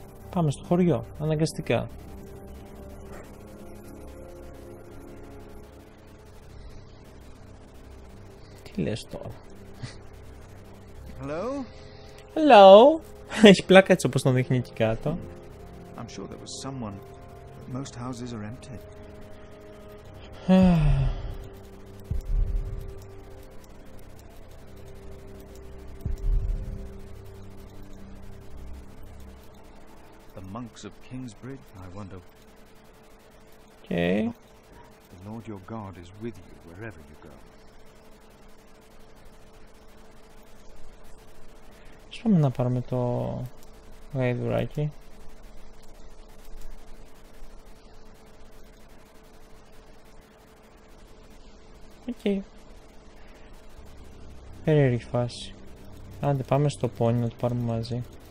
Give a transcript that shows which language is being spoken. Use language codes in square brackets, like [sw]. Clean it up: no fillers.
[el] Πάμε στο χωριό, αναγκαστικά. Τι λες τώρα. [en] Hello. Hello. [el] Έχει πλάκα έτσι όπως τον δείχνει εκεί κάτω. [en] I'm sure there was someone. Most houses are empty. The monks of Kingsbridge, I wonder. Okay. The Lord your God is with you wherever you go. [el] Ας πάμε να πάρουμε το γαϊδουράκι. Οκ. Περίεργη φάση. Άντε πάμε στο πόνι να το πάρουμε μαζί.